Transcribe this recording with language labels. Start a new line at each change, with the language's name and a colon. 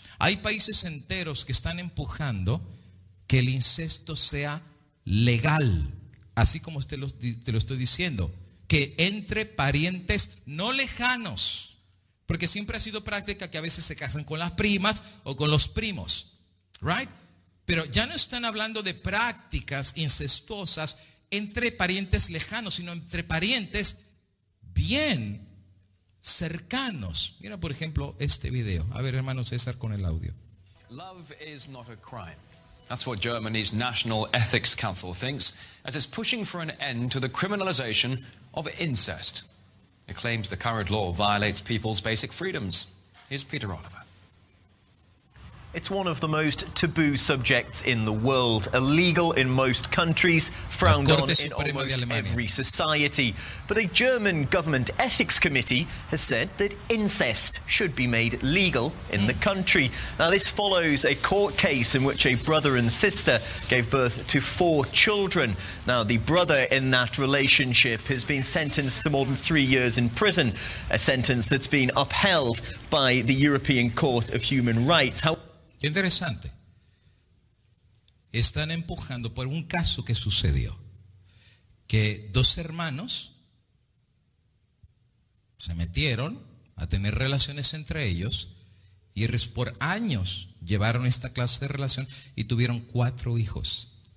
Spanish: Hay países enteros que están empujando que el incesto sea legal, así como te lo estoy diciendo, que entre parientes no lejanos, porque siempre ha sido práctica que a veces se casan con las primas o con los primos, right? Pero ya no están hablando de prácticas incestuosas entre parientes lejanos, sino entre parientes bien cercanos. Mira, por ejemplo, este video. A ver, hermano César, con el audio.
English: Love is not a crime. That's what Germany's National Ethics Council thinks, as it's pushing for an end to the criminalization of incest. It claims the current law violates people's basic freedoms. Here's Peter Oliver. It's one of the most taboo subjects in the world, illegal in most countries, frowned on in almost every society. But a German government ethics committee has said that incest should be made legal in the country. Now, this follows a court case in which a brother and sister gave birth to four children. Now, the brother in that relationship has been sentenced to more than 3 years in prison, a sentence that's been upheld by the European Court of Human Rights.
Spanish: Interesante. Están empujando por un caso que sucedió, que dos hermanos se metieron a tener relaciones entre ellos y por años llevaron esta clase de relación y tuvieron 4 hijos.